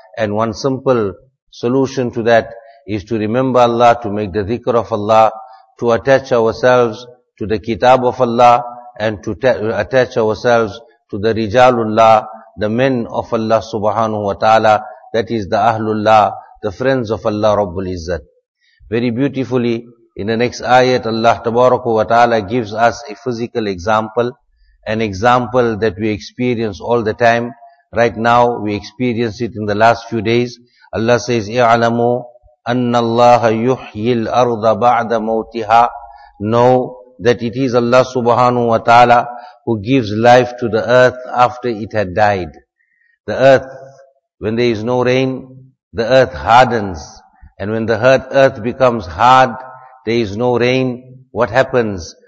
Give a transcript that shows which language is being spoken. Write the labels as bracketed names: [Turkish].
[English] And one simple solution to that is to remember Allah, to make the dhikr of Allah, to attach ourselves to the kitab of Allah, and to attach ourselves to the rijalullah, the men of Allah subhanahu wa ta'ala, that is the ahlullah, the friends of Allah Rabbul Izzat. Very beautifully, in the next ayat, Allah tabaraka wa ta'ala gives us a physical example, an example that we experience all the time. Right now, we experience it in the last few days. Allah says, [Arabic] اِعْلَمُوا أَنَّ اللَّهَ يُحْيِي الْأَرْضَ بَعْدَ مَوْتِهَا. [English] Know that it is Allah subhanahu wa ta'ala who gives life to the earth after it had died. The earth, when there is no rain, the earth hardens. And when the earth becomes hard, there is no rain, what happens?